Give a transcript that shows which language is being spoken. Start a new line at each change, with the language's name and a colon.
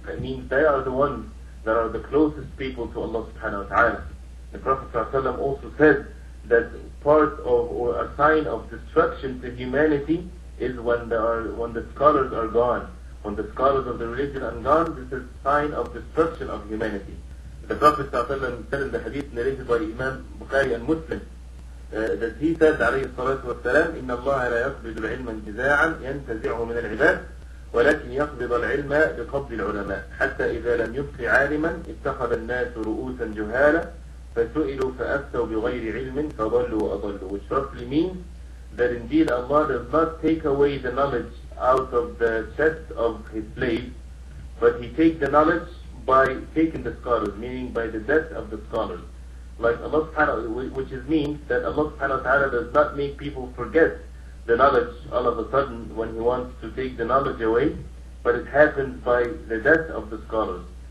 English: That means they are the ones that are the closest people to Allah subhanahu wa ta'ala. The Prophet ﷺ also said that part of or a sign of destruction to humanity is when the scholars are gone. When the scholars of the religion are gone, this is a sign of destruction of humanity. The Prophet ﷺ said in the hadith narrated by Imam Bukhari and Muslim, that he said,
Arabic: عليه الصلاة والسلام, إن الله لا يقبض العلم انتزاعا ينتزعه من العباد ولكن يقبض العلم بقبض العلماء حتى إذا لم يبق عالما اتخذ الناس رؤوسا جهالا فسئلوا فأفتوا بغير علم فضلوا وأضلوا.
English: Which roughly means that indeed Allah does not take away the knowledge out of the chest of his slaves, but he takes the knowledge by taking the scholars, meaning by the death of the scholars. Like Allah subhanahu wa ta'ala, which is means that Allah subhanahu wa ta'ala does not make people forget the knowledge all of a sudden when he wants to take the knowledge away, but it happens by the death of the scholars.